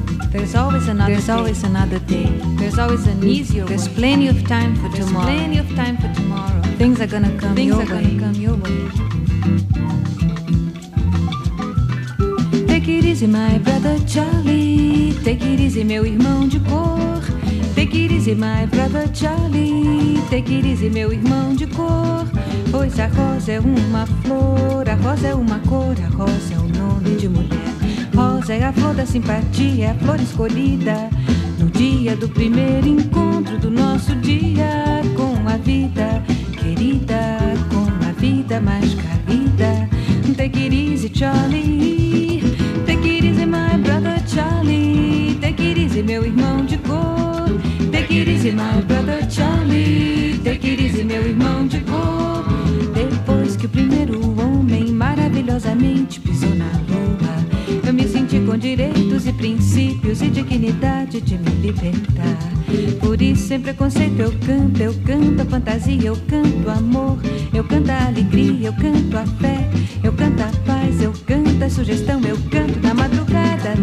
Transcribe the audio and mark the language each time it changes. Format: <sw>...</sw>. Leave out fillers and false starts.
<en>There's always another day. There's always an easier way. There's plenty of time for tomorrow. Things are gonna come your way. Take it easy, my brother Charlie. Take it easy,</en> <pt>meu irmão de cor.</pt> <en>Take it easy, my brother Charlie. Take it easy,</en> <pt>meu irmão de cor. Pois a rosa é uma flor. A rosa é uma cor. A rosa é o nome de mulher. Rosa é a flor da simpatia, é a flor escolhida no dia do primeiro encontro do nosso dia com a vida querida, com a vida mais querida.</pt> <en>Take it easy, Charlie. Take it easy, my brother Charlie. Take it easy,</en> <pt>meu irmão de cor.</pt> <en>Take it easy, my brother Charlie. Take it easy,</en> <pt>meu irmão de cor. Depois que o primeiro homem maravilhosamente pisou na lua, eu me senti com direitos e princípios e dignidade de me libertar. Por isso sem preconceito eu canto a fantasia, eu canto amor, eu canto a alegria, eu canto a fé, eu canto a paz, eu canto a sugestão, eu canto na madrugada.</pt>